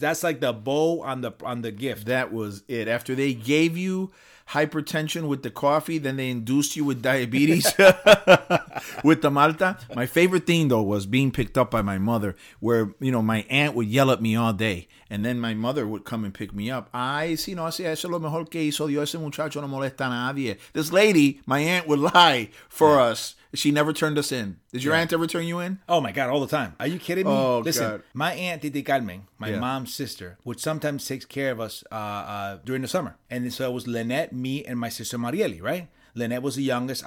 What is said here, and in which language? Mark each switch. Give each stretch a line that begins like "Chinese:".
English: That's like the bow on the gift. That was it. After they gave you hypertension with the coffee, then they induced you with diabetes with the Malta. My favorite thing, though, was being picked up by my mother, where, you know, my aunt would yell at me all day, and then my mother would come and pick me up.
Spanish: Ay, si no, así es lo mejor que hizo Dios, ese muchacho no molesta a nadie.
English: This lady, my aunt, would lie for us. She never turned us in. Did your aunt ever turn you in? Oh, my God, all the time. Are you kidding me? Oh, listen, God. My aunt, Titi Carmen, my mom's sister, would sometimes take care of us during the summer. And so it was Lynette, me, and my sister Marielle, right? Lynette was the youngest.